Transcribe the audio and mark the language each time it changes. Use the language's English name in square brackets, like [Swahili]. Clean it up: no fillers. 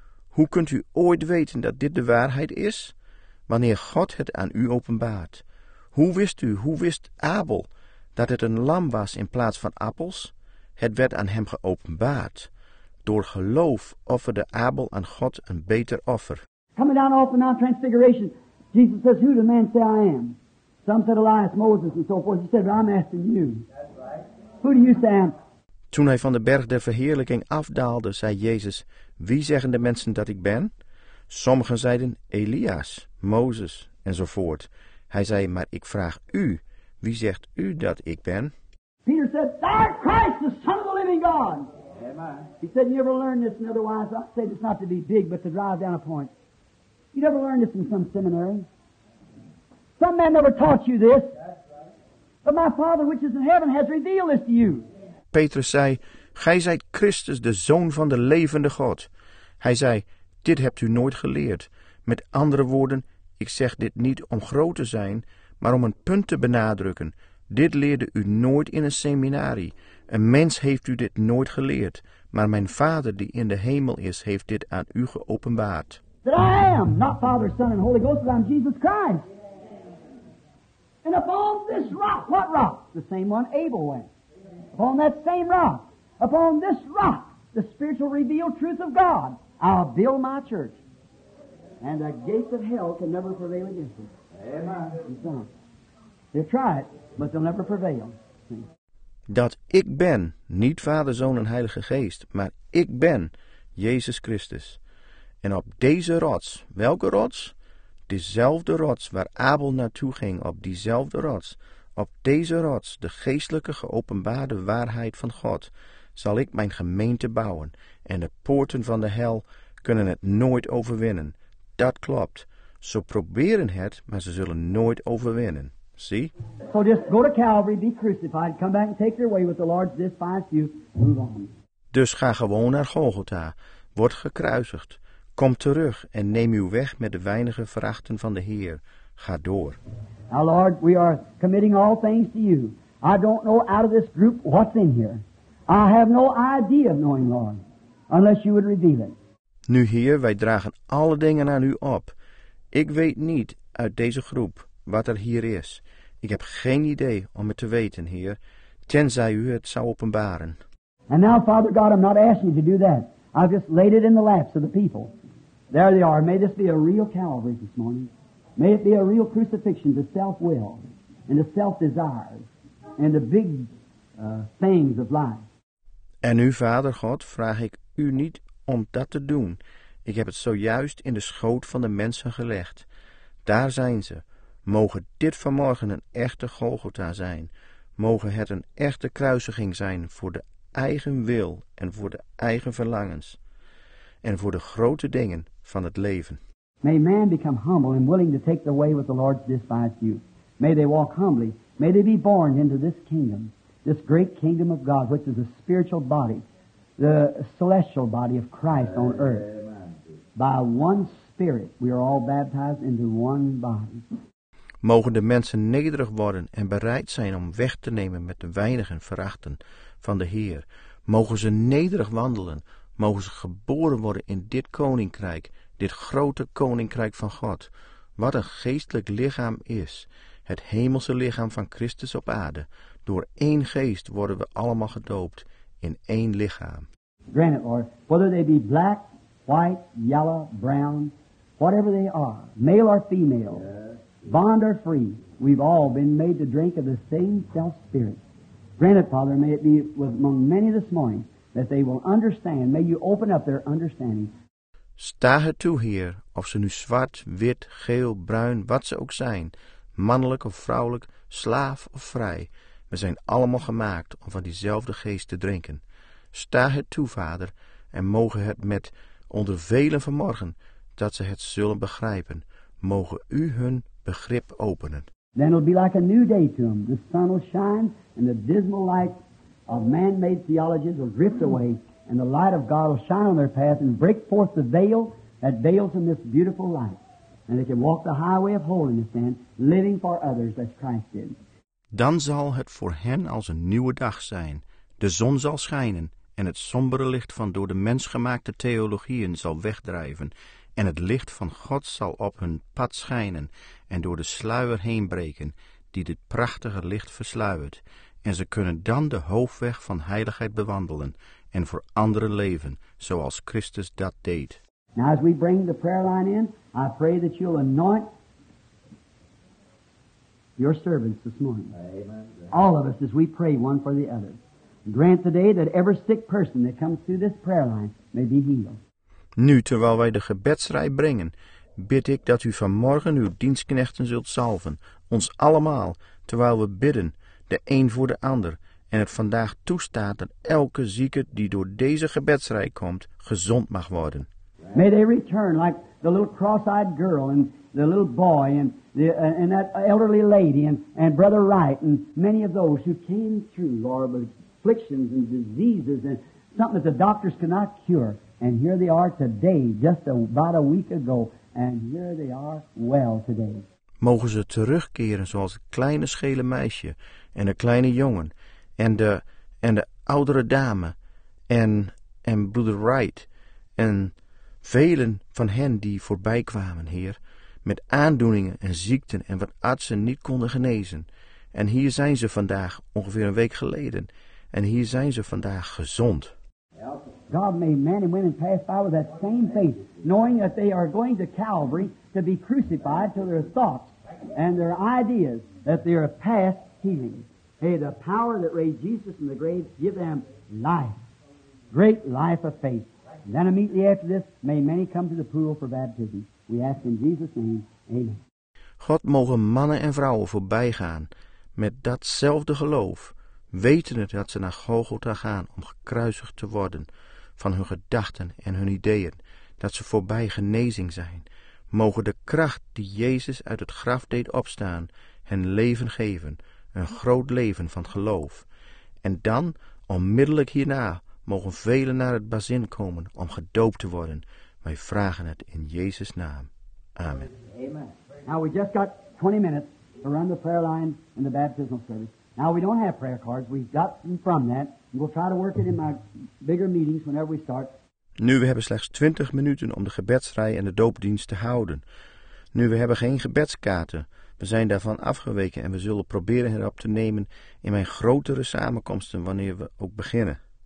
[Dutch] Hoe kunt u ooit weten dat dit de waarheid is? Wanneer God het aan u openbaart. Hoe wist Abel dat het een lam was in plaats van appels? Het werd aan hem geopenbaard. Door geloof offerde Abel aan God een beter offer. [English] Coming down off the Mount Transfiguration, Jesus says, who do men say I am? Some said Elias, Moses and so forth. He said, but I'm asking you. Who do you say I am? [Dutch] Toen hij van de berg der verheerlijking afdaalde, zei Jezus, wie zeggen de mensen dat ik ben? Sommigen zeiden Elias, Mozes enzovoort. Hij zei, maar ik vraag u, wie zegt u dat ik ben? [English] Peter said, thou art Christ, the Son of the living God. Amen. He said, you ever learn this, and otherwise I said it's not to be big, but to drive down a point. You never learned this in some seminary. Some man never taught you this. Right. But my Father, which is in heaven, has revealed this to you. [Dutch] Petrus zei, gij zijt Christus, de Zoon van de levende God. Hij zei, dit hebt u nooit geleerd. Met andere woorden, ik zeg dit niet om groot te zijn, maar om een punt te benadrukken. Dit leerde u nooit in een seminarie. Een mens heeft u dit nooit geleerd, maar mijn Vader die in de hemel is, heeft dit aan u geopenbaard. [English] That I am, not Father, Son, and Holy Ghost, but I'm Jesus Christ. And upon this rock, what rock? The same one Abel went. Upon that same rock, upon this rock, the spiritual revealed truth of God, I'll build my church. And the gates of hell can never prevail against it. Amen. They'll try it, but they'll never prevail. [Dutch] Dat ik ben, niet Vader, Zoon en Heilige Geest, maar ik ben Jezus Christus. En op deze rots, welke rots? Dezelfde rots waar Abel naartoe ging, op diezelfde rots. Op deze rots, de geestelijke geopenbaarde waarheid van God, zal ik mijn gemeente bouwen. En de poorten van de hel kunnen het nooit overwinnen. Dat klopt. Ze proberen het, maar ze zullen nooit overwinnen. Zie? [English] So just go to Calvary, be crucified, come back and take your way with the Lord, despise you, move on. [Dutch] Dus ga gewoon naar Golgotha, word gekruisigd, kom terug en neem uw weg met de weinige verachten van de Heer. Ga door. [English] Now, Lord, we are committing all things to you. I don't know out of this group what's in here. I have no idea of knowing, Lord, unless you would reveal it. [Dutch] Nu, Heer, wij dragen alle dingen aan u op. Ik weet niet uit deze groep wat er hier is. Ik heb geen idee om het te weten, Heer, tenzij u het zou openbaren. [English] And now, Father God, I'm not asking you to do that. I've just laid it in the laps of the people. There they are. May this be a real Calvary this morning. May it be a real crucifixion to self-will and to self-desires and the big things of life. [Dutch] En nu, Vader God, vraag ik u niet om dat te doen. Ik heb het zojuist in de schoot van de mensen gelegd. Daar zijn ze. Mogen dit vanmorgen een echte Golgotha zijn. Mogen het een echte kruisiging zijn voor de eigen wil en voor de eigen verlangens. En voor de grote dingen van het leven. [English] May man become humble and willing to take the way with the Lord's despised you. May they walk humbly. May they be born into this kingdom, this great kingdom of God, which is the spiritual body, the celestial body of Christ on earth. By one Spirit we are all baptized into one body. [Dutch] Mogen de mensen nederig worden en bereid zijn om weg te nemen met de weinigen verachten van de Heer. Mogen ze nederig wandelen. Mogen ze geboren worden in dit koninkrijk, dit grote koninkrijk van God. Wat een geestelijk lichaam is, het hemelse lichaam van Christus op aarde. Door één geest worden we allemaal gedoopt in één lichaam. [English] Granted, Lord, whether they be black, white, yellow, brown, whatever they are, male or female, bond or free, we've all been made to drink of the same self-spirit. Granted, Father, may it be with among many this morning, that they will understand. May you open up their understanding. [Dutch] Sta het toe, Heer, of ze nu zwart, wit, geel, bruin, wat ze ook zijn, mannelijk of vrouwelijk, slaaf of vrij, we zijn allemaal gemaakt om van diezelfde geest te drinken. Sta het toe, Vader, en mogen het met onder velen vanmorgen, dat ze het zullen begrijpen, mogen u hun begrip openen. [English] Then it'll be like a new day to them. The sun will shine and the dismal light of man-made theologies will drift away, and the light of God will shine on their path and break forth the veil that veils in this beautiful light. And they can walk the highway of holiness then, living for others as Christ did. [Dutch] Dan zal het voor hen als een nieuwe dag zijn. De zon zal schijnen, en het sombere licht van door de mens gemaakte theologieën zal wegdrijven, en het licht van God zal op hun pad schijnen, en door de sluier heenbreken, die dit prachtige licht versluiert. En ze kunnen dan de hoofdweg van heiligheid bewandelen en voor anderen leven, zoals Christus dat deed. [English] Now as we bring the prayer line in, I pray that you'll anoint your servants this morning. Amen. All of us as we pray one for the other. Grant today that every sick person that comes through this prayer line may be healed. [Dutch] Nu, terwijl wij de gebedsrij brengen, bid ik dat u vanmorgen uw dienstknechten zult salven, ons allemaal, terwijl we bidden, de een voor de ander, en het vandaag toestaat dat elke zieke die door deze gebedsrij komt, gezond mag worden. [English] May they return like the little cross-eyed girl and the little boy and the and that elderly lady and Brother Wright and many of those who came through, Lord, with afflictions and diseases and something that the doctors cannot cure. And here they are today, just about a week ago, and here they are well today. [Dutch] Mogen ze terugkeren zoals het kleine schele meisje en de kleine jongen en de oudere dame en Brother Wright en velen van hen die voorbij kwamen, Heer, met aandoeningen en ziekten en wat artsen niet konden genezen. En hier zijn ze vandaag, ongeveer een week geleden, en hier zijn ze vandaag gezond. [English] God made men and women pass by with that same faith, knowing that they are going to Calvary to be crucified till their thoughts and their ideas that they are past healing. May the power that raised Jesus from the grave give them life, great life of faith. And then immediately after this, may many come to the pool for baptism. We ask in Jesus' name, amen. [Dutch] God mogen mannen en vrouwen voorbij gaan met datzelfde geloof, wetende dat ze naar Golgotha gaan om gekruisigd te worden van hun gedachten en hun ideeën, dat ze voorbij genezing zijn. Mogen de kracht die Jezus uit het graf deed opstaan, hen leven geven, een groot leven van geloof. En dan, onmiddellijk hierna, mogen velen naar het bazin komen om gedoopt te worden. Wij vragen het in Jezus' naam. Amen. Amen. [English] Now we just got 20 minutes to run the prayer line in the baptismal service. Now we don't have prayer cards, we got them from that. We'll try to work it in my bigger meetings whenever we start. [Dutch] Nu, we hebben slechts 20 minuten om de gebedsrij en de doopdienst te houden. Nu, we hebben geen gebedskaarten. We zijn daarvan afgeweken en we zullen proberen erop te nemen in mijn grotere samenkomsten wanneer we ook beginnen.